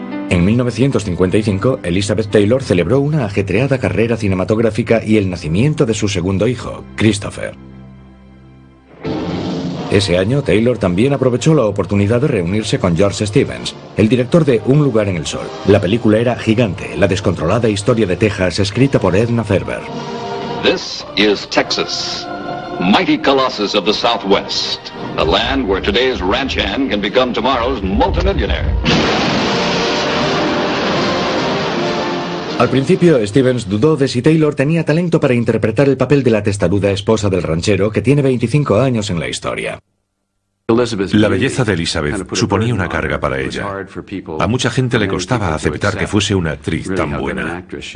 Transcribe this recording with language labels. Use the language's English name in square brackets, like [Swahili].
[Spanish] En 1955, Elizabeth Taylor celebró una ajetreada carrera cinematográfica y el nacimiento de su segundo hijo, Christopher. Ese año, Taylor también aprovechó la oportunidad de reunirse con George Stevens, el director de Un lugar en el sol. La película era gigante, la descontrolada historia de Texas escrita por Edna Ferber. [English] This is Texas, mighty colossus of the Southwest, a land where today's ranch hand can become tomorrow's multimillionaire. [Spanish] Al principio, Stevens dudó de si Taylor tenía talento para interpretar el papel de la testaruda esposa del ranchero que tiene 25 años en la historia. La belleza de Elizabeth suponía una carga para ella. A mucha gente le costaba aceptar que fuese una actriz tan buena.